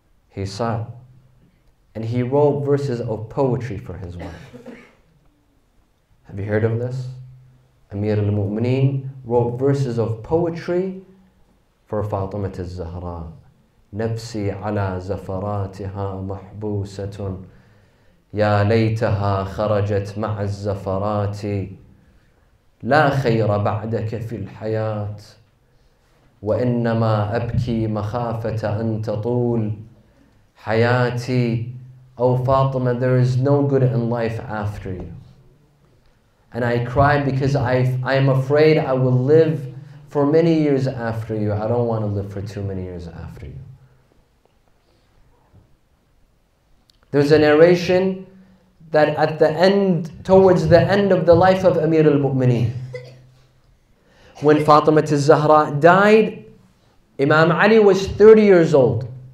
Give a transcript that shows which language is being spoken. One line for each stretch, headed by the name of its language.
English: He sat. And he wrote verses of poetry for his wife. Have you heard of this? Amir al-Mu'mineen wrote verses of poetry for Fatima al-Zahra.
Arabic: نفسي على زفراتها محبوسة يا ليتها خرجت مع الزفرات لا خير بعدك في الحياة وإنما أبكي مخافة أن تطول حياتي
English: Oh Fatima, there is no good in life after you. And I cry because I am afraid I will live for many years after you. I don't want to live for too many years after you. There's a narration that at the end, towards the end of the life of Amir al-Mu'mineen, when Fatima al-Zahra died, Imam Ali was 30 years old.